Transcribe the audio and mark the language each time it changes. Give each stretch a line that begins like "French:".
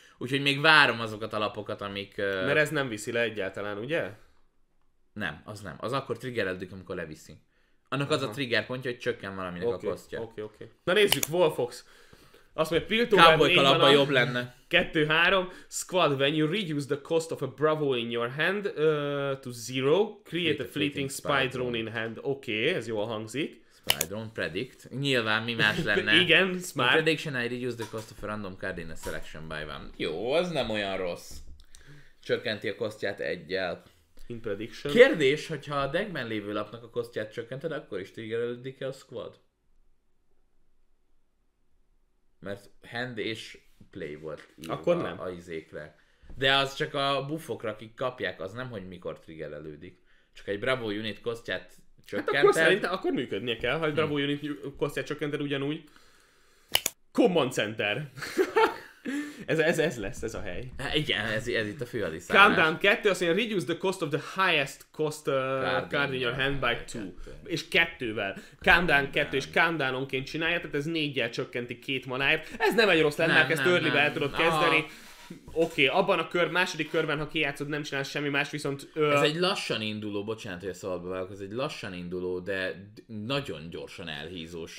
Hungarian: Úgyhogy még várom azokat a lapokat, amik... Mert ez nem viszi le egyáltalán, ugye? Nem, az nem. Az akkor triggereldük, amikor leviszi. Annak az a trigger pontja, hogy csökken valaminek a kosztja. Oké. Na nézzük, Wolfox. Azt mondja, Piltover Cowboy kalapban jobb lenne. 2-3.
English: Squad, when you reduce the cost of a Bravo in your hand to zero, create a fleeting spy drone in hand.
Hungarian: Oké, okay, ez jól hangzik. Spy drone, predict. Nyilván mi más lenne. Igen, smart.
English: The prediction, I reduce the cost of a random card in a selection by one.
Hungarian: Jó, az nem olyan rossz. Csökkenti a kosztját egyel.
English: In prediction.
Hungarian: Kérdés, hogyha a deckben lévő lapnak a kosztját csökkented, akkor is triggerelődik-e a squad? Mert hand és play volt írva akkor nem. A izékre. De az csak a buffokra, akik kapják, az nem, hogy mikor triggerelődik. Csak egy Bravo Unit kosztját csökkented. Hát akkor szerintem akkor működnie kell, ha egy Bravo Unit kosztját csökkented ugyanúgy. Command Center. Ez lesz, ez a hely. Igen, ez itt a fő adiszállás.
English: Countdown 2,
Hungarian: azt mondja,
English: reduce the cost of the highest cost card in your hand by 2.
Hungarian: És kettővel. Countdown 2 és countdown-onként csinálja, tehát ez 4-jel csökkenti 2 manáért. Ez nem egy rossz lenne, ezt early-be el tudod kezdeni. Oké, okay, abban a kör, második körben, ha kijátszod, nem csinálsz semmi más, viszont... Ez egy lassan induló, bocsánat, hogy a szabadba vágok, ez egy lassan induló, de nagyon gyorsan elhízós.